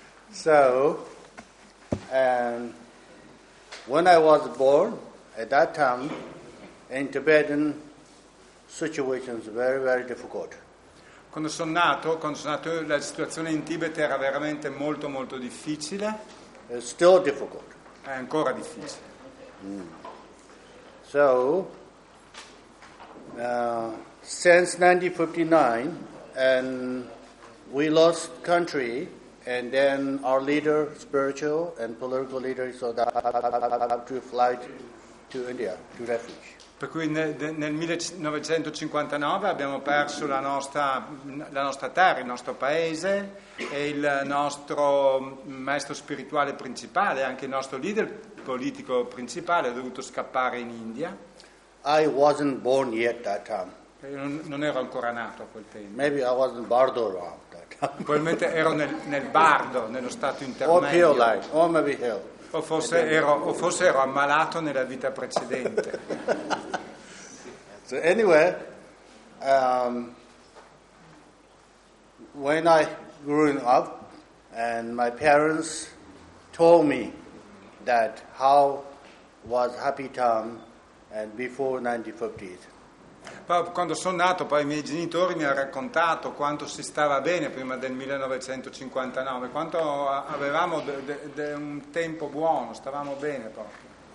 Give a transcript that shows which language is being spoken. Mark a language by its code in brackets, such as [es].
[en] So, when I was born, at that time, in Tibetan situation is very, very difficult. [it] Quando sono nato, la situazione in Tibet era veramente molto, molto difficile. [en] It's still difficult. [it] È ancora difficile. Mm. [en] So, since 1959, and we lost country, and then our leader, spiritual and political leader, so that to fly to India to refuge. [it] Per cui nel 1959 abbiamo perso la nostra terra, il nostro paese e il nostro maestro spirituale principale, anche il nostro leader politico principale, ha dovuto scappare in India. [en] I wasn't born yet that time. [it] Non ero ancora nato a quel tempo. [en] Maybe I was in Bardo around that time. [it] Probabilmente ero nel Bardo, nello stato intermedio. [en] Or Hill, like, or maybe Hill. [it] O forse ero ammalato nella vita precedente. [en] So anyway, when I grew up, and my parents told me that how was happy time and before 1950s. [it] Quando sono nato, poi i miei genitori mi hanno raccontato quanto si stava bene prima del 1959, quanto avevamo un tempo buono, stavamo bene proprio.